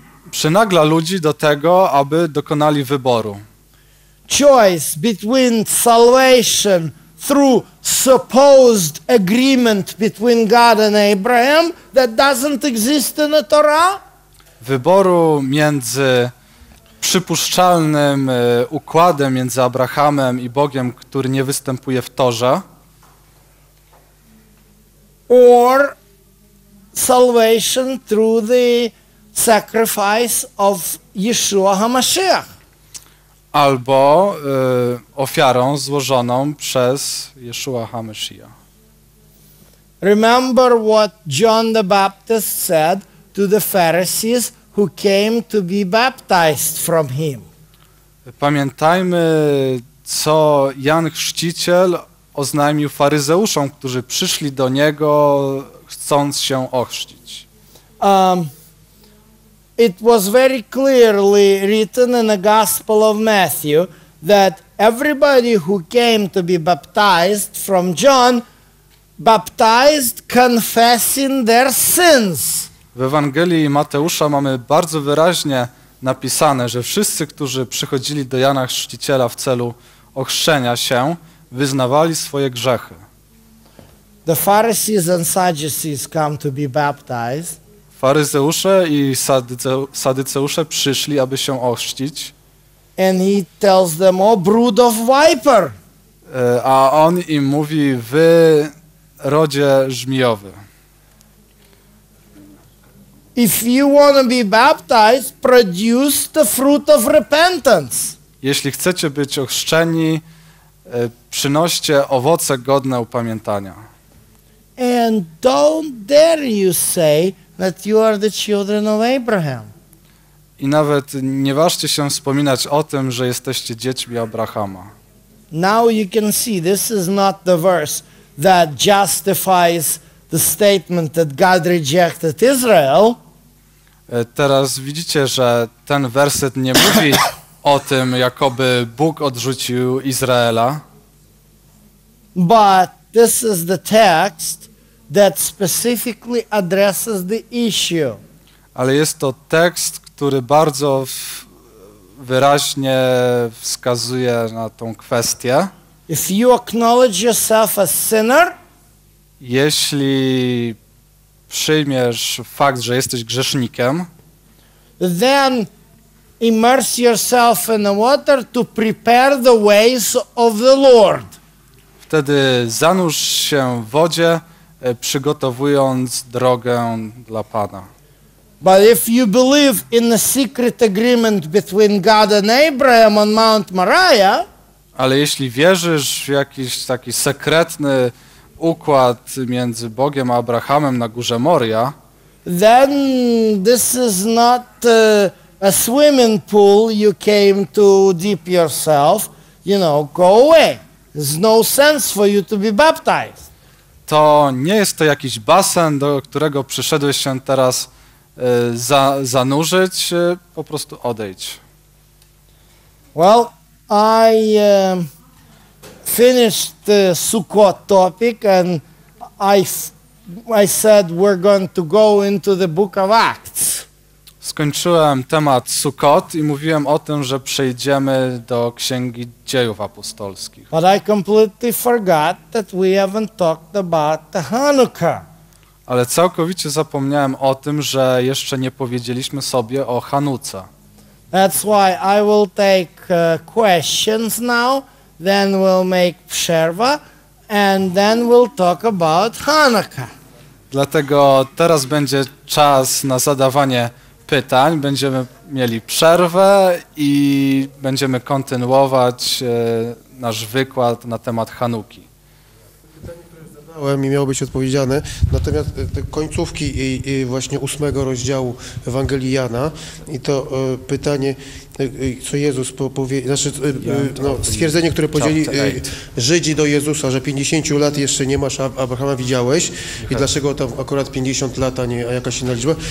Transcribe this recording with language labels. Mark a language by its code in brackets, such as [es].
[pl] przynagla ludzi do tego, aby dokonali wyboru. [en] Choice between salvation through supposed agreement between God and Abraham that doesn't exist in the Torah. [pl] Wyboru między przypuszczalnym układem między Abrahamem i Bogiem, który nie występuje w Torze. [en] Or salvation through the sacrifice of Yeshua HaMashiach. [pl] Albo ofiarą złożoną przez Yeshua HaMashiach. [en] Remember what John the Baptist said to the Pharisees who came to be baptized from him. [pl] Pamiętajmy, co Jan Chrzciciel oznajmił faryzeuszom, którzy przyszli do niego, chcąc się ochrzcić. [en] It was very clearly written in the Gospel of Matthew that everybody who came to be baptized from John baptized confessing their sins. [pl] W Ewangelii Mateusza mamy bardzo wyraźnie napisane, że wszyscy, którzy przychodzili do Jana Chrzciciela w celu ochrzczenia się, wyznawali swoje grzechy. [en] The Pharisees and Sadducees come to be baptized. [pl] Faryzeusze i Sadyceusze przyszli, aby się ochrzcić. [en] And he tells them, oh, brood of viper. [pl] A on im mówi, wy rodzie żmijowy. [en] If you want to be baptized, produce the fruit of repentance. [pl] Jeśli chcecie być ochrzczeni, przynoście owoce godne upamiętania. [en] And don't dare you say that you are the children of Abraham. [pl] I nawet nie ważcie się wspominać o tym, że jesteście dziećmi Abrahama. [en] Now you can see this is not the verse that justifies the statement that God rejected Israel. [pl] Teraz widzicie, że ten werset nie mówi o tym, jakoby Bóg odrzucił Izraela. [en] But this is the text that specifically addresses the issue. [pl] Ale jest to tekst, który bardzo wyraźnie wskazuje na tą kwestię. [en] If you acknowledge yourself as sinner, [pl] jeśli przyjmiesz fakt, że jesteś grzesznikiem, [en] then immerse yourself in the water to prepare the ways of the Lord. [pl] Wtedy zanurz się w wodzie, przygotowując drogę dla Pana. [en] But if you believe in the secret agreement between God and Abraham on Mount Moriah, [pl] ale jeśli wierzysz w jakiś taki sekretny układ między Bogiem a Abrahamem na górze Moria, [en] then this is not a swimming pool you came to dip yourself, you know, go away. There's no sense for you to be baptized. [pl] To nie jest to jakiś basen, do którego przyszedłeś się teraz zanurzyć, po prostu odejdź. [en] Well, I finished the Sukkot topic and I said we're going to go into the Book of Acts. [pl] Skończyłem temat Sukkot i mówiłem o tym, że przejdziemy do Księgi Dziejów Apostolskich. [en] But I completely forgot that we haven't talked about the Hanukkah. [pl] Ale całkowicie zapomniałem o tym, że jeszcze nie powiedzieliśmy sobie o Hanuce. [en] That's why I will take questions now, then we'll make przerwa, and then we'll talk about Hanukkah. [pl] Dlatego teraz będzie czas na zadawanie pytań, będziemy mieli przerwę i będziemy kontynuować nasz wykład na temat Chanuki. Pytanie, które zadałem i miało być odpowiedziane, natomiast te końcówki i właśnie ósmego rozdziału Ewangelii Jana i to pytanie, co Jezus powie, znaczy no, stwierdzenie, które podzieli Żydzi do Jezusa, że 50 lat jeszcze nie masz, a Abrahama widziałeś i dlaczego tam akurat 50 lat, a nie a jakaś inna liczba.